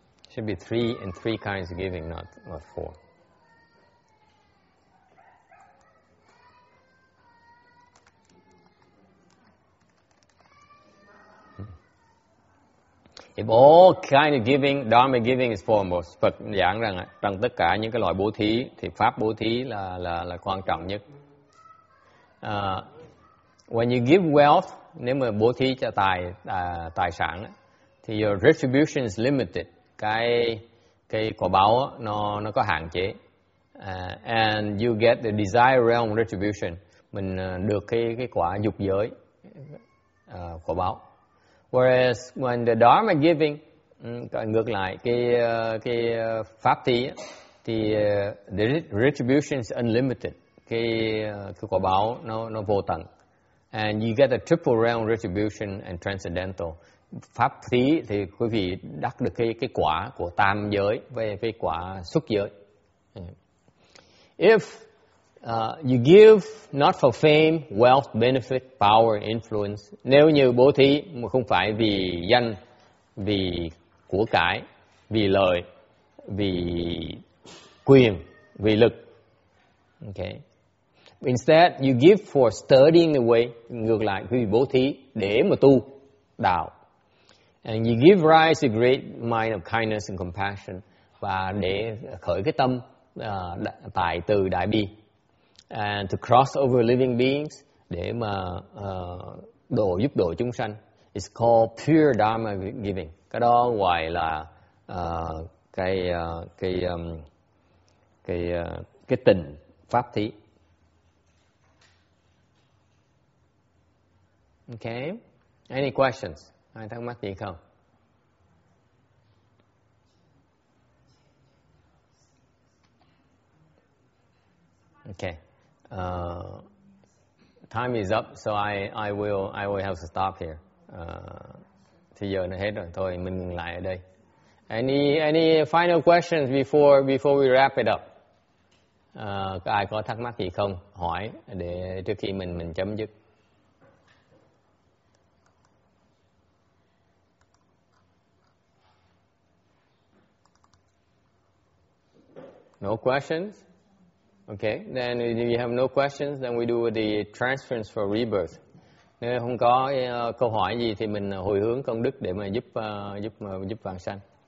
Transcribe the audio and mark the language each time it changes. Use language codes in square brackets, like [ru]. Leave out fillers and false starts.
[en] Should be three kinds of giving, not four. If all kind of giving, Dharma giving is foremost. [vi] Phật giảng rằng trong tất cả những cái loại bố thí thì pháp bố thí là quan trọng nhất. [en] When you give wealth, [vi] nếu mà bố thí cho tài sản thì [en] your retribution is limited. [vi] Cái quả báo nó có hạn chế. [en] And you get the desire realm retribution. [vi] Mình được cái quả dục giới quả báo. [en] Whereas when the Dharma giving, [vi] ngược lại cái pháp thí thì [en] the retribution is unlimited, [vi] cái quả báo nó vô tận, [en] and you get a triple realm retribution and transcendental. [vi] Pháp thí thì quý vị đắc được cái quả của tam giới với cái quả xuất giới. [en] If you give not for fame, wealth, benefit, power, influence. [vi] Nếu như bố thí mà không phải vì danh, vì của cải, vì lợi, vì quyền, vì lực. [en] Okay. Instead, you give for studying the way. [vi] Ngược lại, quý vị bố thí để mà tu đạo. [en] And you give rise to great mind of kindness and compassion. [vi] Và để khởi cái tâm tài từ đại bi. [en] And to cross over living beings, [vi] để mà giúp độ chúng sanh, [en] is called pure Dharma giving. [vi] Cái đó ngoài là cái tình pháp thí. Okay. [en] Any questions? [vi] Ai thắc mắc gì không? [en] Okay. Time is up, so I will have to stop here. [vi] Thì giờ nó hết rồi, thôi mình ngừng lại ở đây. [en] Any final questions before we wrap it up? [vi] Có ai có thắc mắc gì không? Hỏi để trước khi mình chấm dứt. [en] No questions? Okay, then if you have no questions, then we do the transference for rebirth. [vi] Nếu không có câu hỏi gì thì mình hồi hướng công đức để mà giúp vãng sanh.